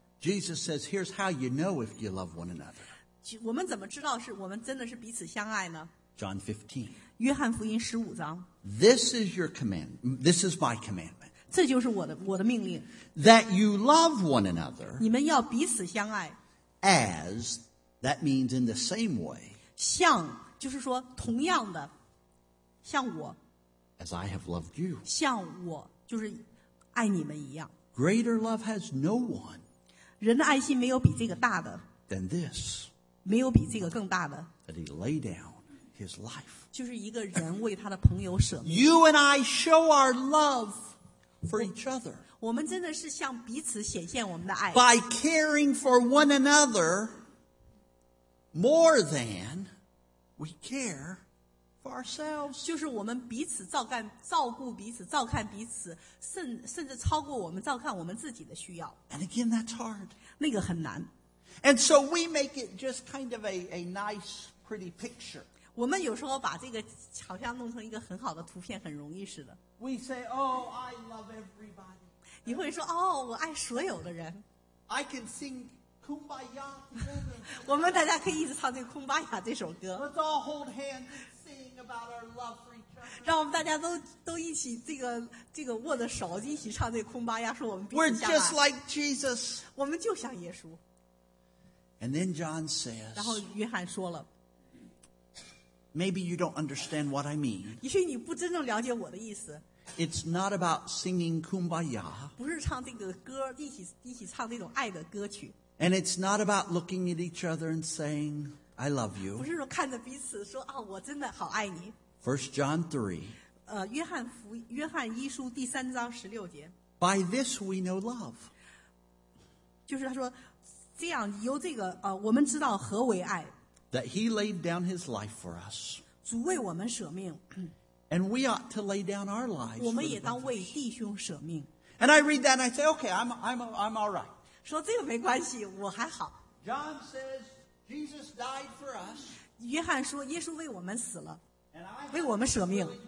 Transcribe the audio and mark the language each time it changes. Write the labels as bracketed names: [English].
[English] Jesus says, "Here's how you know if you love one another." [Chinese] 我们怎么知道是我们真的是彼此相爱呢 [English] ？John 15. [Chinese] 约翰福音十五章。 [English] This is your command. This is my commandment. [Chinese] 这就是我的命令。 [English] That you love one another. [Chinese] 你们要彼此相爱。 [English] As that means in the same way. [Chinese] 像就是说同样的。像我 [English] as I have loved you, [Chinese] 像我就是爱你们一样。 [English] Greater love has no one. [Chinese] 人的爱心没有比这个大的。 [English] Than this, [Chinese] 没有比这个更大的。 [English] That he lay down his life. [Chinese] 就是一个人为他的朋友舍命。 [English] You and I show our love for each other. [Chinese] 我们真的是向彼此显现我们的爱。 [English] By caring for one another more than we care. For ourselves, [Chinese] 就是我们彼此照顾彼此，照看彼此，甚至超过我们照看我们自己的需要。 [English] And again, that's hard. [Chinese] 那个很难。 [English] And so we make it just kind of a nice, pretty picture. [Chinese] 我们有时候把这个好像弄成一个很好的图片，很容易似的。 [English] We say, "Oh, I love everybody." [Chinese] 你会说，哦，我爱所有的人。 [English] I can sing. Kumbaya, [Chinese] 我们大家可以一直唱这个 Kumbaya 这首歌。 [English] Let's all hold hands and sing about our love for each other. [Chinese] 让我们大家都一起这个握着手一起唱这个 Kumbaya， 说我们彼此相爱。 [English] We're just like Jesus. [Chinese] 我们就像耶稣。 [English] And then John says. [Chinese] 然后约翰说了。 [English] Maybe you don't understand what I mean. [Chinese] 也许你不真正了解我的意思。 [English] It's not about singing Kumbaya. [Chinese] 不是唱这个歌，一起唱这种爱的歌曲。 [English] And it's not about looking at each other and saying, "I love you." [Chinese] 不是说看着彼此说啊，我真的好爱你。 [English] First John 3. [Chinese] 约翰一书第三章十六节。 [English] By this we know love. [Chinese] 就是他说这样由这个、我们知道何为爱。 [English] That he laid down his life for us. [Chinese] 主为我们舍命。 [English] And we ought to lay down our lives. [Chinese] 我们也当为弟兄舍命。 [English] And I read that and I say, okay, I'm all right. [Chinese] 说这个没关系，我还好。 [English] John says Jesus died for us. [Chinese] 约翰说耶稣为我们死了，为我们舍命。